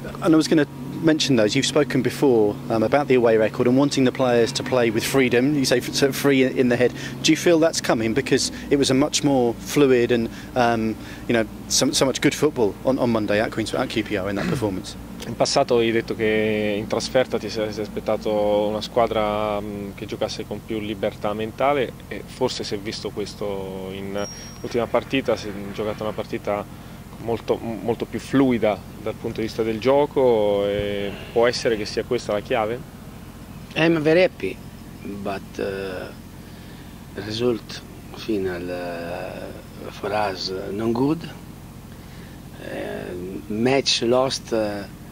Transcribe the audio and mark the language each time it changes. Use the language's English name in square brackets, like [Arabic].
[English] And I was going to mention those. You've spoken before about the away record and wanting the players to play with freedom. You say free in the head. Do you feel that's coming? Because it was a much more fluid and so much good football on Monday at QPR in that performance. [Italian] In passato hai detto che in trasferta ti sei aspettato una squadra che giocasse con più libertà mentale e forse si è visto questo in ultima partita, si è giocata una partita molto, molto più fluida dal punto di vista del gioco e può essere che sia questa la chiave? [English] I'm very happy, but the result final for us non good, match lost.